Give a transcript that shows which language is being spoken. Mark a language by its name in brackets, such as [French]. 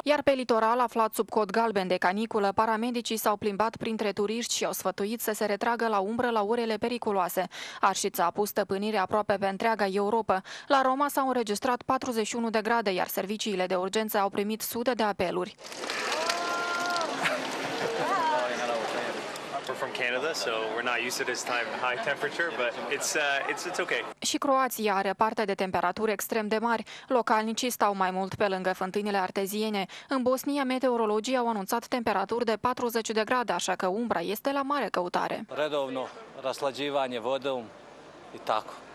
[Romanian] Iar pe litoral, aflat sub cod galben de caniculă, paramedicii s-au plimbat printre turiști și au sfătuit să se retragă la umbră la orele periculoase. Arșița a pus stăpânire aproape pe întreaga Europa. La Roma s-au înregistrat 41 de grade, iar serviciile de urgență au primit sute de apeluri. [English] From Canada, so we're not used to this time high temperature, but it's okay. [Romanian] Și Croația are parte de temperaturi extrem de mari. Localnicii stau mai mult pe lângă fântânile arteziene. În Bosnia, meteorologii au anunțat temperaturi de 40 de grade, așa că umbra este la mare căutare. [Bosnian] Redovno raslađivanje vodom i tako.